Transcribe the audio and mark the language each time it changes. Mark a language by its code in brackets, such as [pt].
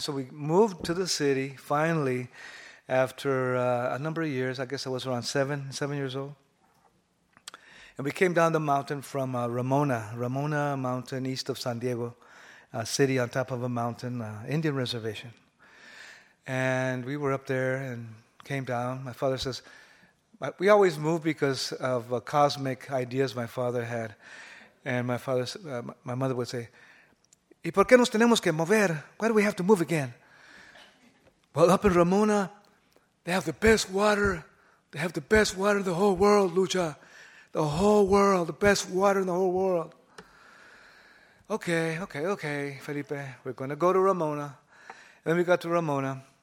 [en] So we moved to the city, finally. After a number of years, I guess I was around seven years old, and we came down the mountain from Ramona Mountain, east of San Diego, a city on top of a mountain, Indian reservation. And we were up there and came down. My father says, we always moved because of cosmic ideas my father had. And my mother would say, [es] ¿Y por qué nos tenemos que mover? [en] Why do we have to move again? Well, up in Ramona, they have the best water. They have the best water in the whole world, Lucha. The whole world, the best water in the whole world. Okay, Felipe, we're going to go to Ramona. And then we got to Ramona.